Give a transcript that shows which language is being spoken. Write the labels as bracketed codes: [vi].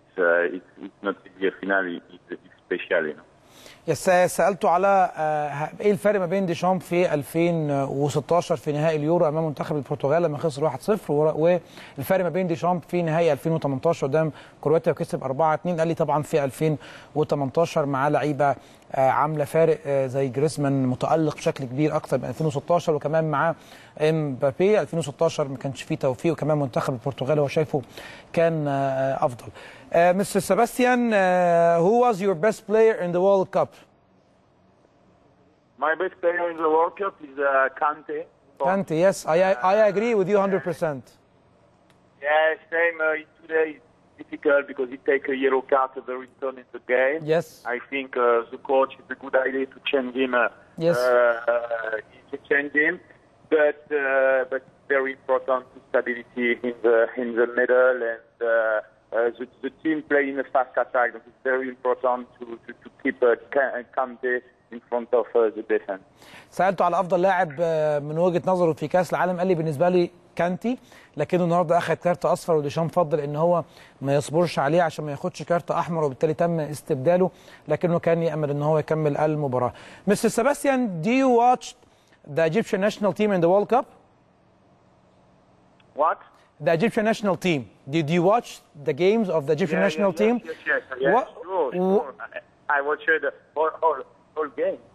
[en] It's not the final, it's special, yes. [ar] سألته على إيه الفرق ما بين ديشامب في 2016 في نهائي اليورو أمام منتخب البرتغال لما خسر 1-0 والفرق ما بين ديشامب في نهائي 2018 قدام كرواتيا وكسب 4-2. قال لي طبعا في 2018 مع لعيبة عاملة فارق زي جريزمان متألق بشكل كبير أكثر من 2016 وكمان مع امبابي. 2016 ما كانش فيه توفيق وكمان منتخب البرتغال هو شايفه كان أفضل. [en] Mr. Sebastian, who was your best player in the World Cup? My best player in the World Cup is Kante. Kante, yes, I agree with you 100%. Yes, same. Today is difficult because he take a yellow card at the return in the game. Yes. I think the coach is a good idea to change him. Yes. To change him, but very important to stability in the middle and. The team playing a fast attack. It's very important to keep Kante in front of the defense. [ar] سألته على أفضل لاعب من وجهة نظره في كأس العالم. قال لي بالنسبة لي كانتي لكنه النهارده أخذ كارت أصفر وديشام فضل إن هو ما يصبرش عليه عشان ما ياخدش كارت أحمر وبالتالي تم استبداله لكنه كان يأمل إن هو يكمل المباراة. [en] Mister Sebastian, do you watch the Egyptian national team in the World Cup? What? The Egyptian national team. Did you watch the games of the Egyptian national team? Yes. Sure. I watched all games.